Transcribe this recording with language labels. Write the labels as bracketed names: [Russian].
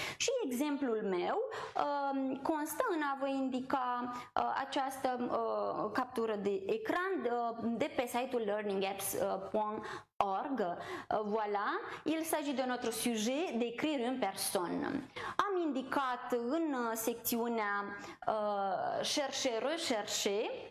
[Romanian] Și exemplul meu constă în a vă indica această captură de ecran de pe site-ul learningapps.com. [French] Org, voilà, il s'agit de notre sujet, d'écrire une personne. [Romanian] Am indicat în secțiunea chercher, rechercher,